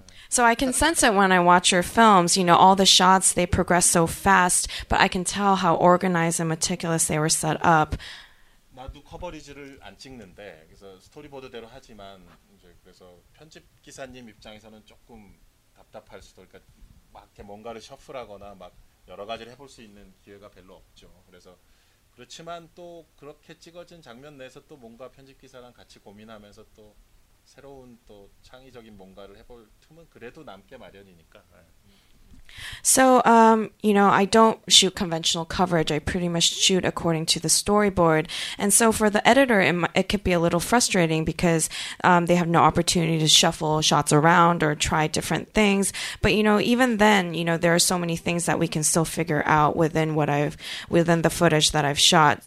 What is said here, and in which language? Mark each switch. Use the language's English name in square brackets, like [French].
[English] So I can sense it when I watch your films. You know, all the shots, they progress so fast, but I can tell how organized and meticulous they were set up. [Korean] 나도 커버리지를 안 찍는데 그래서 스토리보드대로 하지만 이제 그래서 편집 기사님 입장에서는 조금 답답할 수도 그러니까 막 이렇게 뭔가를 셔플하거나 막 여러 가지를 해볼 수 있는 기회가 별로 없죠. 그래서 그렇지만 또 그렇게 찍어진 장면 내에서 또 뭔가 편집 기사랑 같이 고민하면서 또 새로운 또 창의적인 뭔가를 해볼 틈은 그래도 남게 마련이니까. [English] So, you know, I don't shoot conventional coverage. I pretty much shoot according to the storyboard. And so for the editor, it could be a little frustrating because they have no opportunity to shuffle shots around or try different things. But, you know, even then, you know, there are so many things that we can still figure out within the footage that I've shot.